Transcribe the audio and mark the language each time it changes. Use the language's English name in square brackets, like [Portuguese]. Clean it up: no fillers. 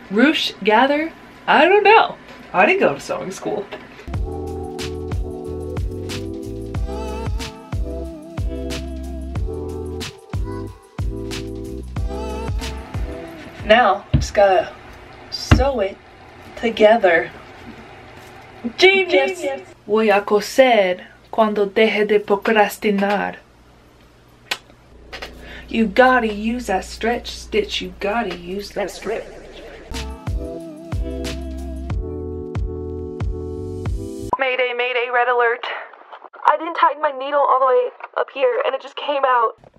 [English] Ruched, gather, I don't know. I didn't go to sewing school. Now, just gotta sew it together. Genius! [Spanish] Voy a coser cuando deje de procrastinar. [English] You gotta use that stretch stitch. You gotta use that stretch. Mayday, mayday, red alert. I didn't tighten my needle all the way up here and it just came out.